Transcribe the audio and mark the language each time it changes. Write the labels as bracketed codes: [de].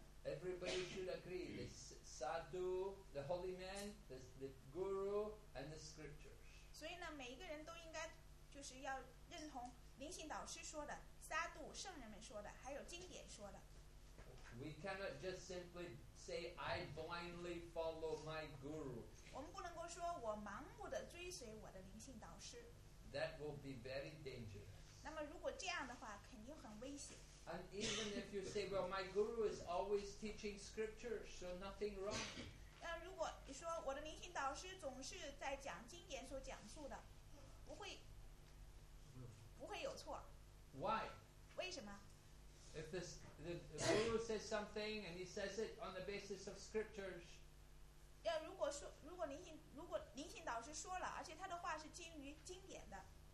[en] Everybody should agree: the sadhu, the holy man, the guru, and the scripture. [zh] 所以呢，每一个人都应该就是要认同灵性导师说的、萨度圣人们说的，还有经典说的。 [en] We cannot just simply say, I blindly follow my guru. [zh] 我们不能够说我盲目的追随我的灵性导师。 [en] That will be very dangerous. [zh] 那么如果这样的话，肯定很危险。 [en] And even if you say, well, my guru is always teaching scripture, so nothing wrong. [zh] 那如果你说我的灵性导师总是在讲经典所讲述的，不会有错。 [en] Why? [zh] 为什么？ [en] If the guru says something and he says it on the basis of scriptures, [zh] 要如果说如果灵性导师说了，而且他的话是基于经典的。